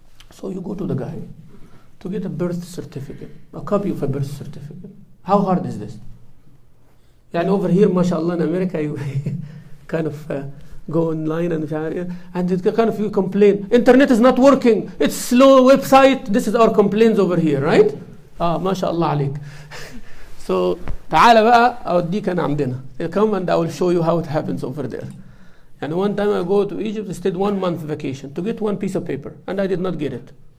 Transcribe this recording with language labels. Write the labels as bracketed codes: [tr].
[en] So you go to the guy to get a birth certificate, a copy of a birth certificate. How hard is this? Yani over here, mashallah, in America, you kind of go online and it kind of you complain, internet is not working, it's slow website, this is our complaints over here, right? [ar] Ah, mashallah alik. So تعال بقى أوديك أنا عندنا. [en] Come and I will show you how it happens over there. And one time I go to Egypt, I stayed 1 month vacation to get one piece of paper, and I did not get it.